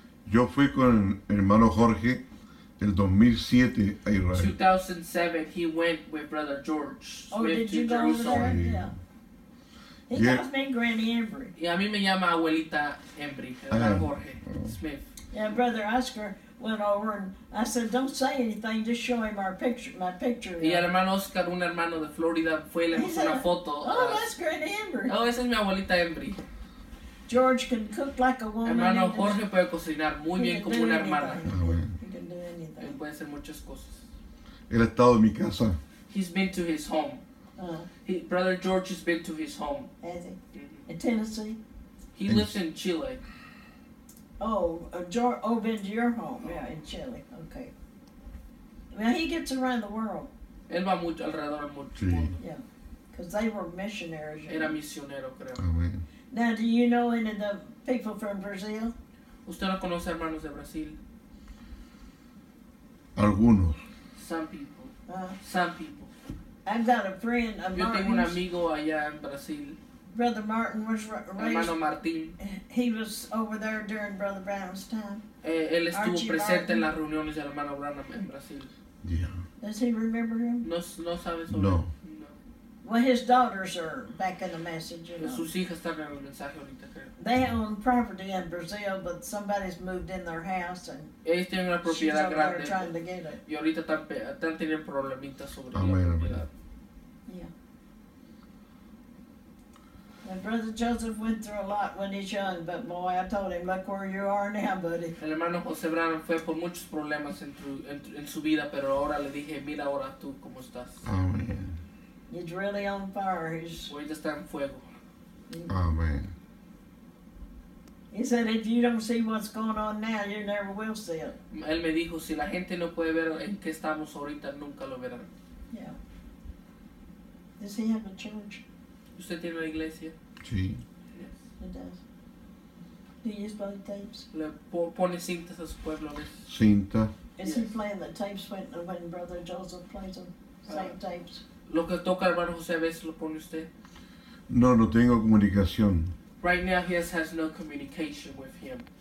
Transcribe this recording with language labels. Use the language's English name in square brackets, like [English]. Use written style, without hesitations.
[Spanish] Yo fui con el hermano Jorge el 2007 a Israel. [English] 2007, he went with Brother George. Oh, did you go there? Yeah. He calls me Granny Embry. [Spanish] Y a mí me llama abuelita Embry, hermano Jorge Smith. [English] Yeah, Brother Oscar went over and I said, don't say anything, just show him our picture, my picture. [Spanish] Y el hermano Oscar, un hermano de Florida, fue y le puso una foto. [English] Oh, that's Granny Embry. [Spanish] Oh, esa es mi abuelita Embry. [English] George can cook like a woman. [Spanish] Hermano Jorge puede cocinar muy bien como una hermana. [English] He can do anything. [Spanish] Puede hacer muchas cosas. Él ha estado en mi casa. [English] He's been to his home. Brother George has been to his home. Has he? Mm-hmm. In Tennessee? He lives in Chile. Oh, been to your home. Yeah, in Chile. Okay. Now he gets around the world. [Spanish] Él va mucho alrededor del mundo. [English] Yeah. Because they were missionaries. [Spanish] Era misionero, creo. [English] Amen. Now, do you know any of the people from Brazil? [Spanish] ¿Usted no conoce hermanos de Brasil? Algunos. [English] Some people. Some people. I've got a friend, a Martin. [Spanish] Yo tengo un amigo allá en Brasil. [English] Brother Martin was raised. [Spanish] Hermano Martín. [English] He was over there during Brother Brown's time. [Spanish] Él estuvo presente en las reuniones del hermano Branham en Brasil. [English] Yeah. Does he remember him? [Spanish] No sabe sobre no. Él. [English] Well, his daughters are back in the message, you know. [Spanish] Sus hijas están en el mensaje ahorita, creo. [English] They own property in Brazil, but somebody's moved in their house, and [Spanish] ellos tienen una propiedad [English] she's [Spanish] grande, [English] over there trying to get it. [Spanish] Y ahorita están teniendo problemitas sobre la propiedad. [English] Yeah. And Brother Joseph went through a lot when he's young, but boy, I told him, look where you are now, buddy. [Spanish] El hermano José Branham fue por muchos problemas en su vida, pero ahora le dije, mira ahora tú cómo estás. [English] Amen. He's really on fire. He's. [Spanish] Hoy está en fuego. [English] Amen. He said, "If you don't see what's going on now, you never will see it." [Spanish] Él me dijo, si la gente no puede ver en qué estamos ahorita, nunca lo verán. [English] Yeah. Does he have a church? [Spanish] ¿Usted tiene una iglesia? Sí. [English] Yes. It does. Do you play tapes? [Spanish] Le pone cintas a su pueblo. Cinta. [English] Is yes. He playing the tapes when Brother Joseph plays them? Same tapes. [Spanish] Lo que toca hermano José a veces lo pone usted. No tengo comunicación. [English] Right now he has no communication with him.